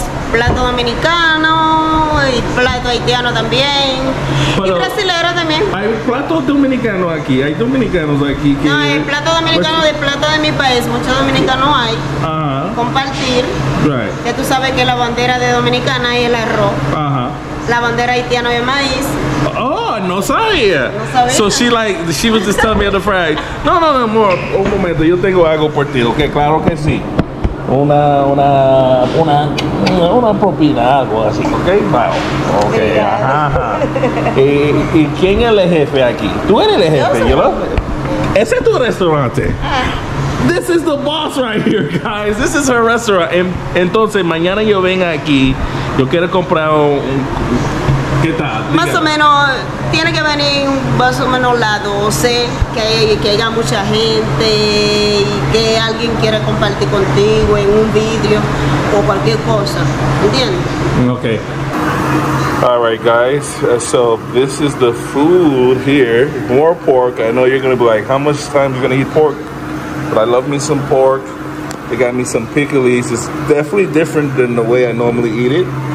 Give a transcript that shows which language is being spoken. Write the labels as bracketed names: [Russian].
[Spanish] Plato dominicano, y plato haitiano también, pero y brasilero también. Hay plato dominicano aquí, hay dominicanos aquí. Que no, el plato dominicano es plato de mi país, muchos dominicanos hay. Ajá. Compartir. [English] Right. [Spanish] Ya tú sabes que la bandera de Dominicana es el arroz. Ajá. La bandera haitiana es maíz. Oh, no sabía. [English] So she like, she was just telling me the fact. [Spanish] No, un momento, yo tengo algo por ti, okay, claro que sí. Una propina, algo así, ok, wow, ok, ajá, ajá. ¿Y quién es el jefe aquí? Tú eres el jefe, ¿yo lo? Ese es tu restaurante. [English] This is the boss right here, guys. This is her restaurant. [Spanish] Entonces, mañana yo venga aquí, yo quiero comprar un... ¿Qué tal? Dígame. Más o menos, tiene que venir más o menos las 12, que haya mucha gente y que alguien quiera compartir contigo en un vidrio o cualquier cosa. ¿Entiendes? Ok. [English] All right, guys, so this is the food here. More pork. I know you're going to be like, how much time are you going to eat pork? But I love me some pork. They got me some pickles. It's definitely different than the way I normally eat it.